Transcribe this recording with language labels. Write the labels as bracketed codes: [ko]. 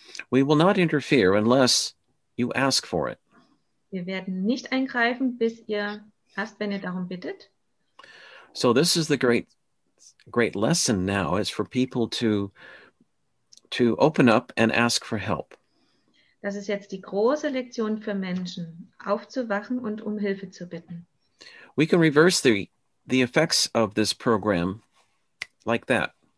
[en] We will not interfere unless you ask for it. [de] Wir werden nicht eingreifen, bis ihr fast, wenn ihr darum bittet. [en] So this is the great, great lesson now is for people to open up and ask for help. [de] Das ist jetzt die große Lektion für Menschen, aufzuwachen und um Hilfe zu bitten. [en] We can reverse the effects of this program like that.